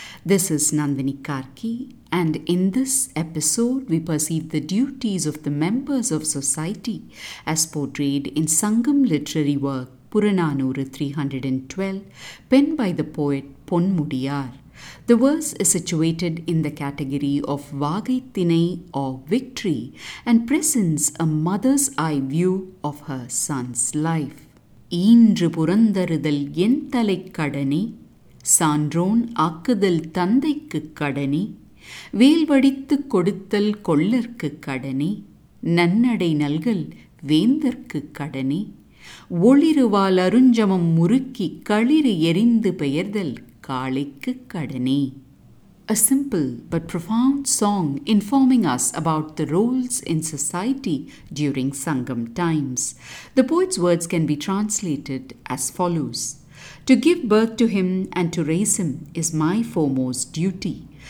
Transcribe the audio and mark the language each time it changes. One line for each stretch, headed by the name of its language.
English: This is Nandini Karki, and in this episode we perceive the duties of the members of society as portrayed in Sangam literary work Puranaanooru 312, penned by the poet Ponmudiyaar. The verse is situated in the category of Vaagai Thinai or victory and presents a mother's eye view of her son's life.
Tamil: ஈன்று புரந்தறுதல் என் தலை கடனே, சான்றோன் ஆக்குதல் தந்தைக்கு கடனே, வேல்வடித்து கொடுத்தல் கொள்ளற்கு கடனே, நன்னடை நல்கல் வேந்தற்கு கடனே, ஒளிருவால் அருஞ்சமம் முறுக்கி களிறு எரிந்து பெயர்தல் காளைக்கு கடனே.
English: A simple but profound song informing us about the roles in society during Sangam times. The poet's words can be translated as follows. To give birth to him and to raise him is my foremost duty.